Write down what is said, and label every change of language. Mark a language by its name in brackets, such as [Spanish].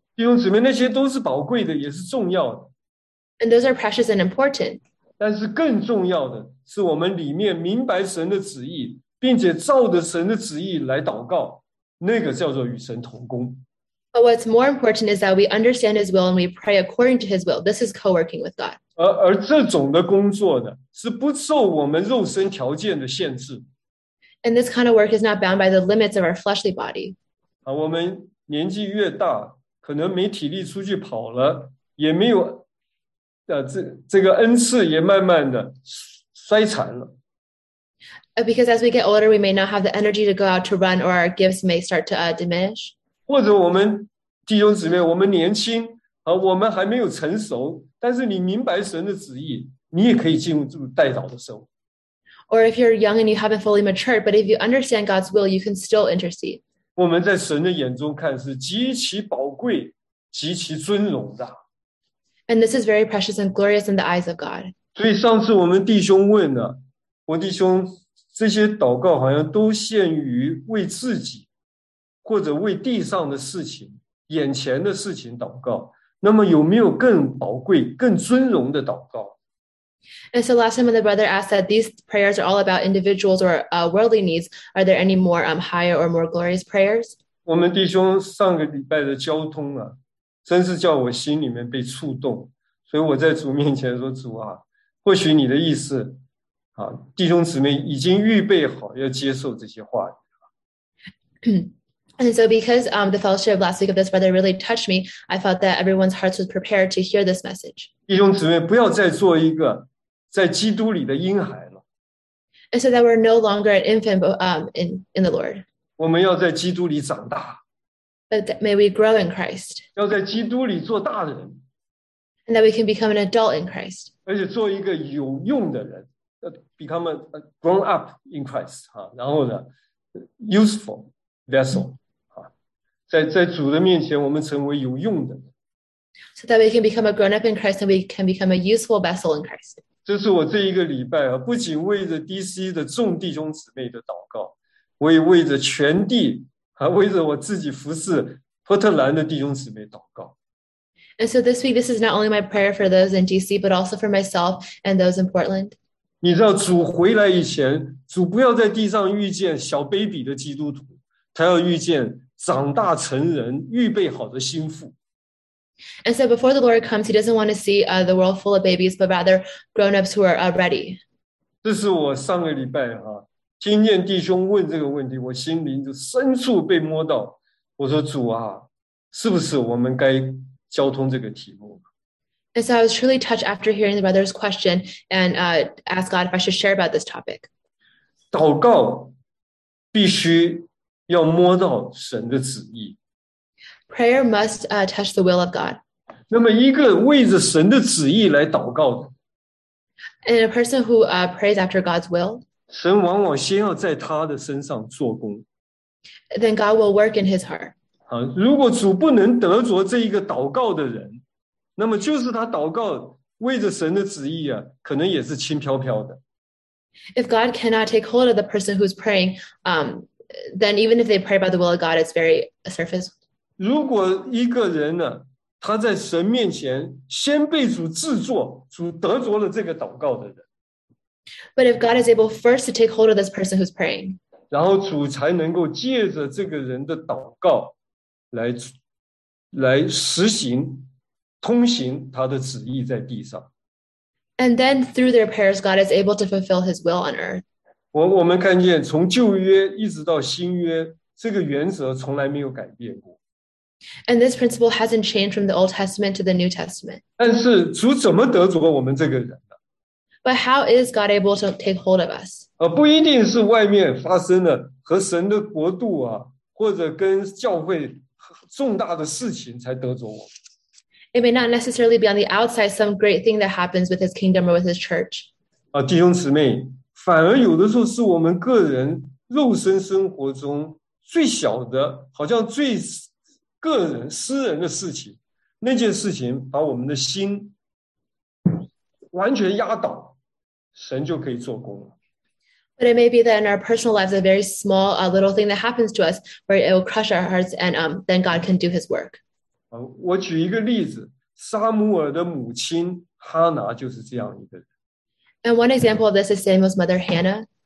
[Chinese] 弟兄姊妹，那些都是宝贵的，也是重要的。 [English] And those are precious and important. [Chinese] 但是更重要的是，我们里面明白神的旨意，并且照着神的旨意来祷告，那个叫做与神同工。 [English] But what's more important is that we understand his will and we pray according to his will. This is co-working with God. [Chinese] 而这种的工作呢，是不受我们肉身条件的限制。 [English] And this kind of work is not bound by the limits of our fleshly body. [Chinese] 我们年纪越大，可能没体力出去跑了，也没有，这个恩赐也慢慢的衰残了。 [English] Because as we get older, we may not have the energy to go out to run, or our gifts may start to diminish. [Chinese] 或者我们弟兄姊妹，我们年轻，我们还没有成熟，但是你明白神的旨意，你也可以进入代祷的生活。 [English] Or if you're young and you haven't fully matured, but if you understand God's will, you can still intercede. [Chinese] 我们在神的眼中看是极其宝贵、极其尊荣的。 [English] And this is very precious and glorious in the eyes of God. [Chinese] 所以上次我们弟兄问了，我弟兄，这些祷告好像都限于为自己，或者为地上的事情、眼前的事情祷告。那么有没有更宝贵、更尊荣的祷告？ [English] And so last time when the brother asked that these prayers are all about individuals or worldly needs, are there any more higher or more glorious prayers? [Chinese] 我们弟兄上个礼拜的交通啊，真是叫我心里面被触动。所以我在主面前说，主啊，或许你的意思啊，弟兄姊妹已经预备好要接受这些话语了。 [English] And so because the fellowship last week of this brother really touched me, I felt that everyone's hearts was prepared to hear this message. [Chinese] 弟兄姊妹，不要再做一个在基督里的婴孩了。 [English] And so that we're no longer an infant in the Lord. [Chinese] 我们要在基督里长大。 [English] But may we grow in Christ. [Chinese] 要在基督里做大人。 [English] And that we can become an adult in Christ. [Chinese] 而且做一个有用的人， [English] become a grown up in Christ. [Chinese] 然后呢， useful. Vessel, 在主的面前我们成为有用的。 [English] So that we can become a grown up in Christ and we can become a useful vessel in Christ. [Chinese] 这是我这一个礼拜不仅为着 DC 的众弟兄姊妹的祷告，我也为着全地，还为着我自己服侍波特兰的弟兄姊妹祷告。 [English] And so this week, this is not only my prayer for those in DC, but also for myself and those in Portland. [Chinese] 你知道主回来以前，主不要在地上遇见小 baby 的基督徒，他要遇见长大成人预备好的心腹。 [English] And so before the Lord comes, he doesn't want to see the world full of babies, but rather grown-ups who are ready. [Chinese] 这是我上个礼拜听见弟兄问这个问题，我心灵就深处被摸到。我说，主啊，是不是我们该交通这个题目？ [English] And so I was truly touched after hearing the brother's question and asked God if I should share about this topic. [Chinese] 祷告必须要摸到神的旨意。 [English] Prayer must touch the will of God. [Chinese] 那么一个为着神的旨意来祷告的， [English] And a person who prays after God's will, [Chinese] 神往往先要在他的身上做工。 [English] Then God will work in his heart. [Chinese] 如果主不能得着这一个祷告的人，那么就是他祷告为着神的旨意啊，可能也是轻飘飘的。 [English] If God cannot take hold of the person who's praying, then even if they pray about the will of God, it's very surface. [Chinese] 如果一个人呢，他在神面前先被主制作，主得着了这个祷告的人。 [English] But if God is able first to take hold of this person who's praying, [Chinese] 然后主才能够借着这个人的祷告来实行通行他的旨意在地上。 [English] And then through their prayers, God is able to fulfill his will on earth. [Chinese] 我们看见从旧约一直到新约，这个原则从来没有改变过。 [English] And this principle hasn't changed from the Old Testament to the New Testament. [Chinese] 但是主怎么得着我们这个人呢？ [English] But how is God able to take hold of us? [Chinese] 不一定是外面发生的和神的国度啊，或者跟教会重大的事情才得着我们。 [English] It may not necessarily be on the outside some great thing that happens with his kingdom or with his church. [Chinese] 弟兄姊妹，反而有的时候是我们个人肉身生活中最小的，好像最个人私人的事情，那件事情把我们的心完全压倒，神就可以做工了。 [English] But it may be that in our personal lives, a very small, little thing that happens to us, where it will crush our hearts, and then God can do His work. [Chinese] 我举一个例子，撒母耳的母亲哈拿就是这样一个人。 [English] And one example of this is Samuel's mother Hannah.